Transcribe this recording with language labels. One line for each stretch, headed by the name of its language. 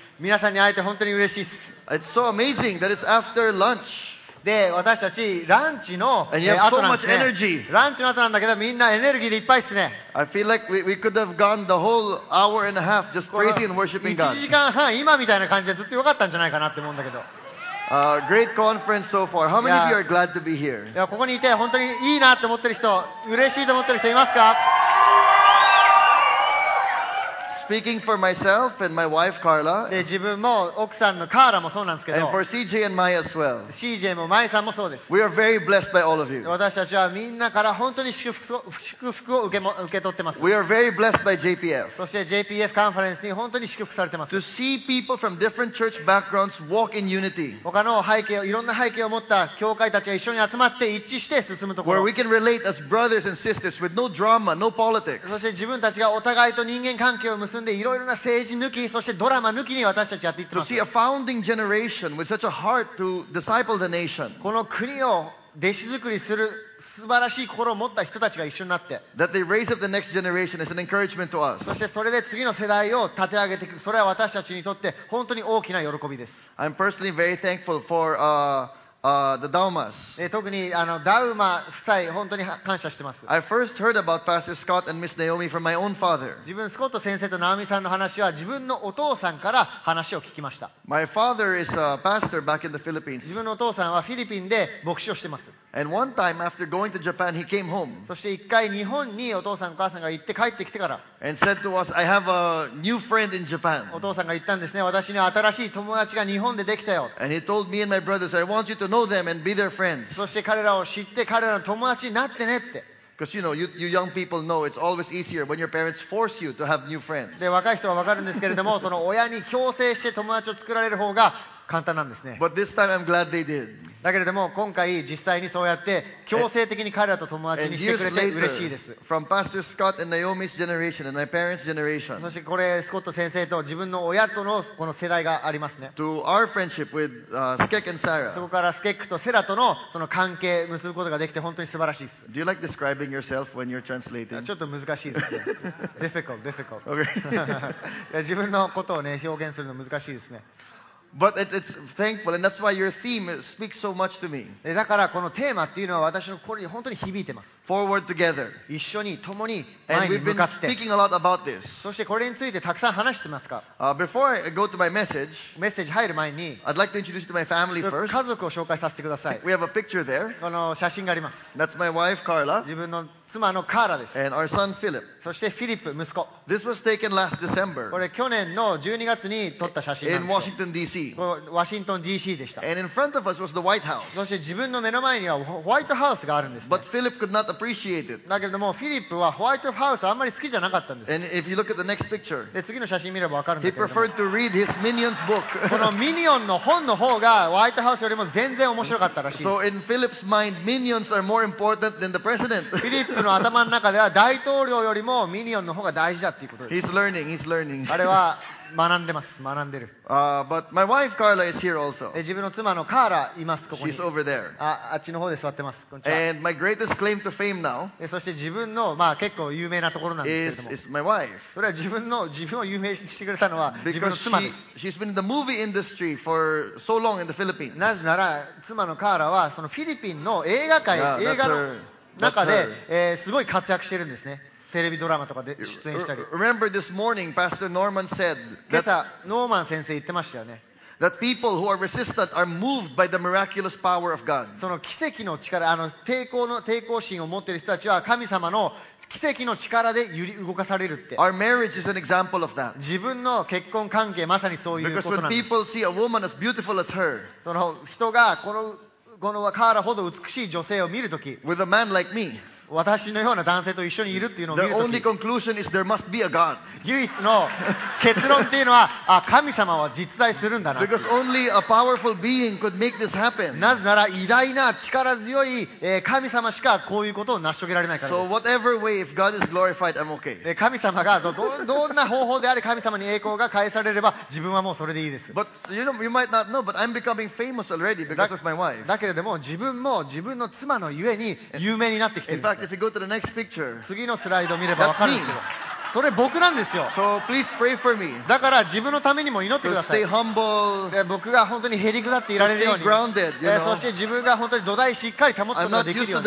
Japanese: 皆さんに会えて本当に嬉しいっす。
English: It's so amazing that it's after lunch.
Japanese: で私たちランチの後なんですね、 so、ランチの後なんだけどみんなエネルギーでいっぱいですね。
English: I feel like we could have gone the whole hour and a half just praising and worshiping God.
Japanese: 1時間半今みたいな感じでずっと良かったんじゃないかなって思うんだけど、
English: Great conference so far. How many of you are glad to be here?
Japanese: いやここにいて本当にいいなって思ってる人、嬉しいと思ってる人いますか？
English: Speaking for myself and my wife Carla.
Japanese: で自分も奥さんのカーラもそうなんですけど。
English: And for CJ and Maya as well.
Japanese: CJ もマイさんもそうです。
English: We are very blessed by all of you.
Japanese: 私たちはみんなから本当に祝福を受け取ってます。
English: We are very blessed by JPF.
Japanese: そして JPF カンファレンスに本当に祝福されてます。
English: To see people from different church backgrounds walk in unity.
Japanese: 他の背景をいろんな背景を持った教会たちが一緒に集まって一致して進むところ。
English: Where we can relate as brothers and sisters with no drama, no politics.
Japanese: そして自分たちがお互いと人間関係を結んでいろいろな政治抜き、そしてドラマ抜きに私たちやっていってます。
English: To see a founding generation with such a heart to disciple the nation.
Japanese: この国を弟子作りする素晴らしい心を持った人たちが一緒になって。
English: That they raise up the next generation is an encouragement to us.
Japanese: そしてそれで次の世代を立て上げていく、それは私たちにとって本当に大きな喜びです。
English: I'm personally very thankful for the Daumas.
Japanese: 特にあのダウマ夫妻本当に感謝してます。
English: I first heard about Pastor Scott and Miss Naomi from my own father.
Japanese: 自分スコット先生とナオミさんの話は自分のお父さんから話を聞きました。
English: My father is a pastor back in the Philippines.
Japanese: 自分のお父さんはフィリピンで牧師をしてます。
English: And one time after going to Japan, he came home.
Japanese: そして一回日本にお父さんお母さんが行って帰ってきてから。
English: And said to us, I have a new friend in Japan.
Japanese: お父さんが言ったんですね。私に新しい友達が日本でできたよ。
English: And he told me and my brothers, I want you to know them and be their friends.
Japanese: そして彼らを知って彼らの友達になってねって。
English: Because you know, you young people know it's always easier when your parents force you to have new friends.
Japanese: で、若い人はわかるんですけれども、その親に強制して友達を作られる方が簡単なんですね。
English: But this time I'm glad they did.
Japanese: だけれども今回実際にそうやって強制的に彼らと友達にしてくれて嬉しいです。
English: From Pastor Scott and Naomi's generation and my parents' generation.
Japanese: そしてこれスコット先生と自分の親とのこの世代がありますね。
English: To our friendship with Skek and Sarah.
Japanese: そこからスケックとセラとのその関係結ぶことができて本当に素晴らしいです。
English: Do you like describing yourself when you're translating?
Japanese: ちょっと難しいですね。
English: difficult, difficult. Okay.
Japanese: 自分のことをね表現するの難しいですね。
English: But it's thankful, and that's why your theme speaks so much to me.
Japanese: だからこのテーマっていうのは私の心に本当に響いてます。
English: Forward together.
Japanese: 一緒に、共に、前に向かって。
English: And we've been speaking a lot about this.
Japanese: そしてこれについてたくさん話してますか。
English: Before I go to my message,
Japanese: メッセージ入る前に、
English: I'd like to introduce you to my family first.
Japanese: 家族を紹介させてください。
English: We have a picture there.
Japanese: この写真があります。
English: That's my wife, Carla.
Japanese: 自分の妻のカーラです。
English: And our son, Philip.
Japanese: そしてフィリップ、息子。
English: This was taken last December.
Japanese: これ去年の12月に撮った写真なんですよ。
English: In Washington, D.C.
Japanese: ワシントン DC でした。
English: And in front of us was the White House.
Japanese: そして自分の目の前にはホワイトハウスがあるんです、ね。
English: But Philip could not appreciate it.
Japanese: だけれどもフィリップはホワイトハウスあんまり好きじゃなかったんです。
English: And if you look at the next picture,
Japanese: で次の写真見れば分かるんだけど。
English: He preferred to read his Minions book.
Japanese: このミニオンの本の方がホワイトハウスよりも全然面白かったらしい。
English: So in Philip's mind, Minions are more important than the president.
Japanese: フィリップの頭の中では大統領よりもミニオンの方が大事だっていうことです。
English: He's learning. He's learning.
Japanese: あれは。学んでます。学んでる。
English: But my wife Carla is here also.
Japanese: 自分の妻のカーラいます。ここに。
English: She's over there.
Japanese: あっちの方で座ってます。こんにちは。
English: And my greatest claim to fame now.
Japanese: そして自分のまあ結構有名なところなんですけれども。
English: Is my wife.
Japanese: それは自分を有名してくれたのは自分の妻です。
English: Because she's been in the movie industry for so long in the Philippines.
Japanese: なぜなら妻のカーラはそのフィリピンの映画界、 yeah, 映画の中ですごい活躍してるんですね。テレビドラマとかで出演したり。
English: Remember this morning, Pastor Norman said that
Japanese: 今朝ノーマン先生言ってましたよね。
English: That people who are resistant are moved by the miraculous power of God.
Japanese: その奇跡の力、あの抵抗心を持っている人たちは神様の奇跡の力で揺り動かされるって。
English: Our marriage is an example of that.
Japanese: 自分の結婚関係まさにそういうことなんです。
English: Because when people see a woman as beautiful as her,
Japanese: その人がこのカーラほど美しい女性を見るとき、
English: with a man like me.
Japanese: 私のような男性と一緒にいるっていうのを見るとき、
English: the only conclusion is there must be a God.
Japanese: 唯一の結論っていうのは、あ、神様は実在するんだな。
English: Because only a powerful being could make this happen.
Japanese: なぜなら偉大な力強い神様しかこういうことを成し遂げられないからです。
English: So whatever way, if God is glorified, I'm okay.
Japanese: 神様がどんな方法であれ神様に栄光が返されれば、自分はもうそれでいいです。
English: But you know, you might not know, but I'm becoming famous already because of my wife.
Japanese: だけれども自分も自分の妻のゆえに有名になってきてるんです。
English: If you go to the next picture,
Japanese: 次のスライド見れば分かるんですよ。それ僕なんですよ。
English: So please pray for me.
Japanese: だから自分のためにも祈ってください。
English: To stay humble.
Japanese: で、僕が本当にへりくだっていられるように。
English: To stay grounded, you know?
Japanese: そして自分が本当に土台しっかり保つことができるように。